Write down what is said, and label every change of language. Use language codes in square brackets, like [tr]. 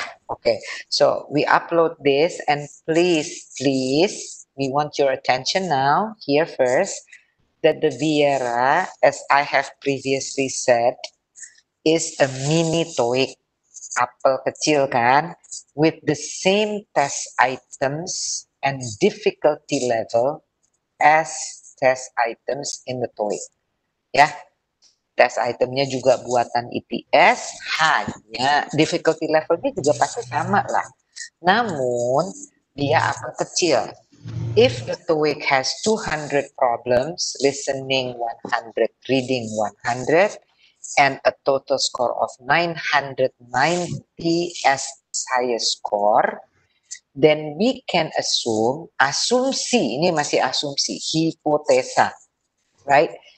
[en] Okay, so we upload this and please we want your attention now here first that the Viera, as I have previously said, is a mini TOEIC [id] apel kecil kan [en] with the same test items and difficulty level as test items in the TOEIC. [id] Ya. Test itemnya juga buatan ITS, hanya difficulty levelnya juga pasti sama lah. Namun dia apel kecil. [en] If the TOEIC has 200 problems, listening 100, reading 100 and a total score of 990 as highest score, then we can [id] asumsi, hipotesa, [en] right?